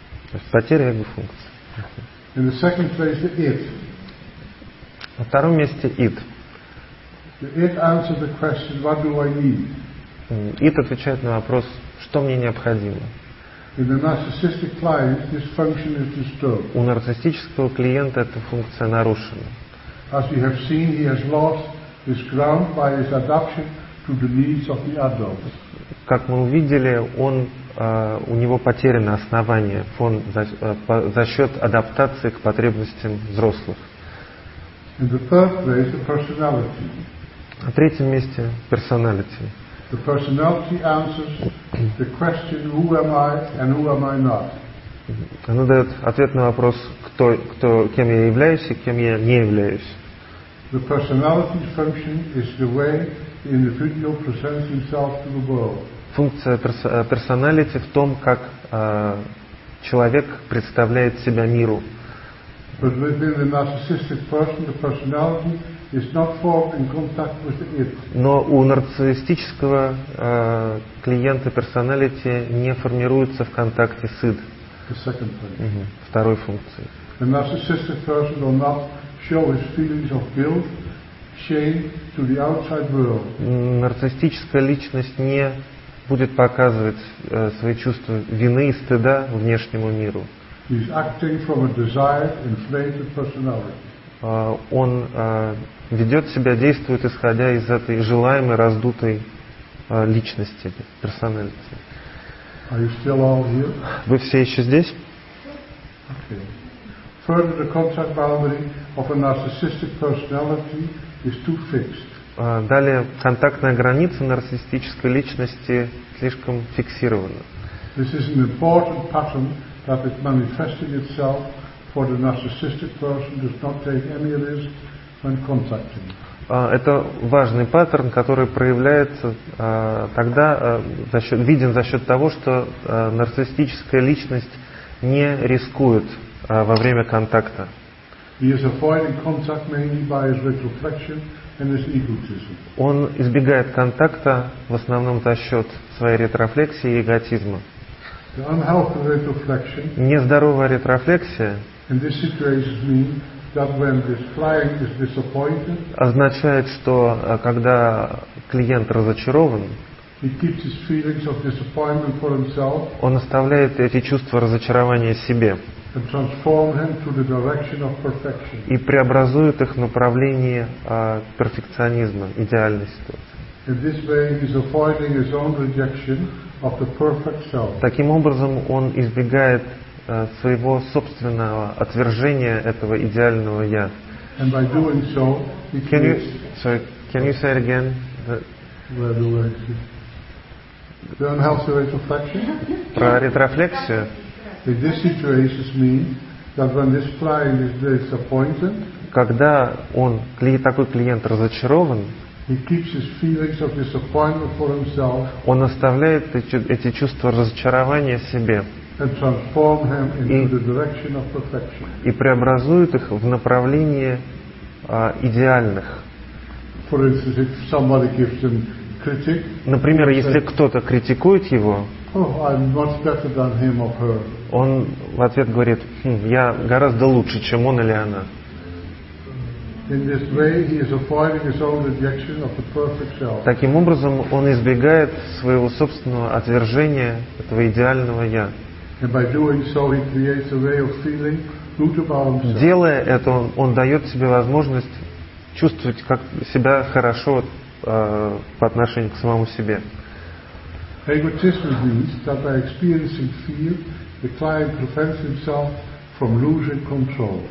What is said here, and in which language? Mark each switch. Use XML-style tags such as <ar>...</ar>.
<ru>То есть потеря эго функции.</ru> <en>In the second place, the it.</en> <ru>На втором месте it.</ru> <en>It answers the question, what do I need?</en> <ru>It отвечает на вопрос, что мне необходимо.</ru> <en>In the narcissistic client, this function is disturbed.</en> <ru>У нарциссического клиента эта функция нарушена.</ru> <en>As we have seen, he has lost his ground by his adaptation to the needs of the adult.</en> <ru>Как мы увидели, он у него потеряно основание, фон за счет адаптации к потребностям взрослых.</ru> <en>In the third place, the personality.</en> <ru>На третьем месте personality.</ru> <en>The personality answers the question, who am I and who am I not?</en> <ru>Она дает ответ на вопрос, кем я являюсь и кем я не являюсь.</ru> <en>The personality function is the way the individual presents himself to the world.</en> <ru>Функция personality в том, как человек представляет себя миру.</ru> <en>But within the narcissistic person, the personality is not formed in contact with the it.</en> <ru>Но у нарциссического клиента personality не формируется в контакте с it.</ru> <en>The second point.</en> <ru>Uh-huh. Второй функции.</ru> <en>The narcissistic person will not show his feelings of guilt, shame to the outside world.</en> <ru>Нарциссическая личность не будет показывать свои чувства вины и стыда внешнему миру.</ru> <en>He is acting from a desired, inflated personality.</en> <ru>Он ведет себя, действует, исходя из этой желаемой, раздутой личности, персоналити.</ru> <en>Are you still all here?</en> <ru>Вы все еще здесь?</ru> <en>Okay. Further, the contact boundary of a narcissistic personality is too fixed.</en> <ru>Далее, контактная граница нарциссической личности слишком фиксирована.</ru> <en>This is an important pattern that is manifesting itself for the narcissistic person does not take any risk when contacting.</en> <ru>Это важный паттерн, который проявляется тогда, виден за счет того, что нарциссическая личность не рискует во время контакта.</ru> <en>He is avoiding contact mainly by his retrospection and his egotism.</en> <ru>Он избегает контакта в основном за счет своей ретрофлексии и эготизма.</ru> <en>The unhealthy retrospection.</en> <ru>Нездоровая ретрофлексия.</ru> <en>In this situation means that when this client is disappointed.</en> <ru>Означает, что когда клиент разочарован.</ru> <en>He keeps his feelings of disappointment for himself.</en> <ru>Он оставляет эти чувства разочарования себе.</ru> <en>And transform him to the direction of perfection.</en> <ru>И преобразует их в направлении перфекционизма, идеальной ситуации.</ru> <en>In this way, he is avoiding his own rejection of the perfect self.</en> <ru>Таким образом, он избегает своего собственного отвержения этого идеального я.</ru> <en>And by doing so, he can you say it again? Where do I see? The unhealthy retrospection.</en> <ru>Про ретрофлексию.</ru> <en>In this situation means that when this client is disappointed,</en> <ru>когда он, такой клиент разочарован,</ru> <en>he keeps his feelings of disappointment for himself,</en> <ru>он оставляет эти чувства разочарования себе,</ru> <en>and transform him into the direction of perfection.</en> <ru>И преобразует их в направлении идеальных.</ru> <en>For instance, if somebody gives him critic,</en> <ru>например, если кто-то критикует его,</ru> <en>I'm much better than him or her.</en> <ru>Он в ответ говорит: я гораздо лучше, чем он или она.</ru> <en>In this way, he is avoiding his own rejection of the perfect self.</en> <ru>Таким образом, он избегает своего собственного отвержения этого идеального я.</ru> <en>And by doing so, he creates a way of feeling good about himself.</en> <ru>Делая это, он дает себе возможность чувствовать как себя хорошо по отношению к самому себе.</ru> <en>Egotism means that by experiencing fear, the client prevents himself from losing control.</en>